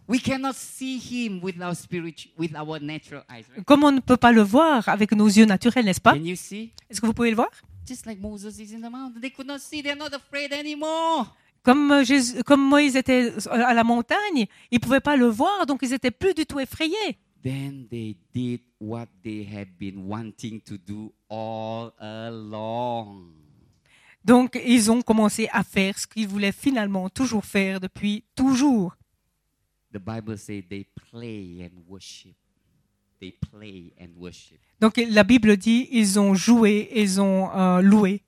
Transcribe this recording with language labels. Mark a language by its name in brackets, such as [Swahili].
[English] We cannot see him with our spirit, with our natural eyes. Right? [French] Comme on ne peut pas le voir avec nos yeux naturels, n'est-ce pas? [English] Can you see? [French] Est-ce que vous pouvez le voir? [English] Just like Moses is in the mountain, they could not see. They're not afraid anymore. [French] Comme Moïse était à la montagne, ils pouvaient pas le voir, donc ils étaient plus du tout effrayés. [English] Then they did what they had been wanting to do all along. [French] Donc, ils ont commencé à faire ce qu'ils voulaient finalement toujours faire depuis toujours. [English] The Bible says they play and worship. They play and worship. [French] Donc, la Bible dit ils ont joué, ils ont loué.